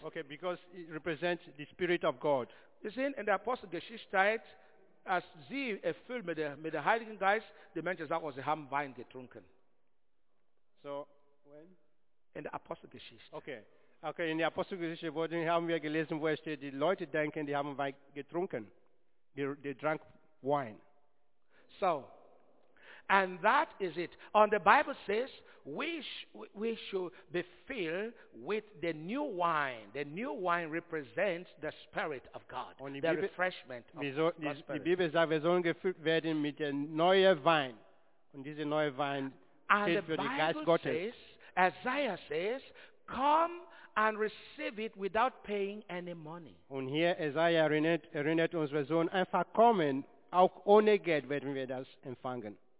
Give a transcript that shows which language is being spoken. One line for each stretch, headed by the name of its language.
English: Okay, because it represents the Spirit of God.
German: Wir sehen in der Apostelgeschichte, als sie erfüllt mit der Heiligen Geist, die Menschen sagen, sie haben Wein getrunken.
English: So, when?
German: In der Apostelgeschichte. Okay, in der Apostelgeschichte wurden, haben wir gelesen, wo es steht, die Leute denken, die haben Wein getrunken.
English: They drank wine. So, and that is it. And the Bible says we should be filled with the new wine. The new wine represents the Spirit of God.
German: Und
English: the Bibel, refreshment of so, God.
German: Die Bibel sagt, wir sollen gefüllt werden mit der neue Wein. Und diese neue Wein steht für den Geist Gottes.
English: And Isaiah says, come and receive it without paying any money.
German: Und hier Isaiah erinnert uns, wir sollen einfach kommen, auch ohne Geld werden wir das empfangen.